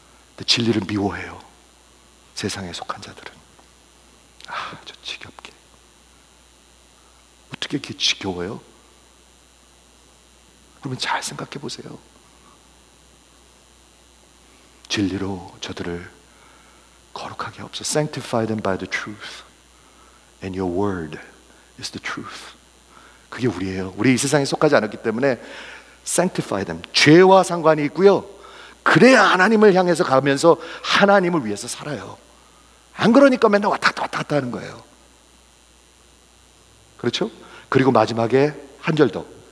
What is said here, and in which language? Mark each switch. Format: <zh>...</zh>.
<ko>근데 진리를 미워해요, 세상에 속한 자들은. 아, 저 지겹게. 어떻게 이렇게 지겨워요? 그러면 잘 생각해 보세요. 진리로 저들을 거룩하게 없어.</ko> <en>Sanctify them by the truth. And your word is the truth.</en> <ko>그게 우리예요. 우리 이 세상에 속하지 않았기 때문에</ko> <en>Sanctify them.</en> <ko>죄와 상관이 있고요. 그래야 하나님을 향해서 가면서 하나님을 위해서 살아요. 안 그러니까 맨날 왔다 갔다 왔다 갔다 하는 거예요. 그렇죠? 그리고 마지막에 한 절 더.</ko>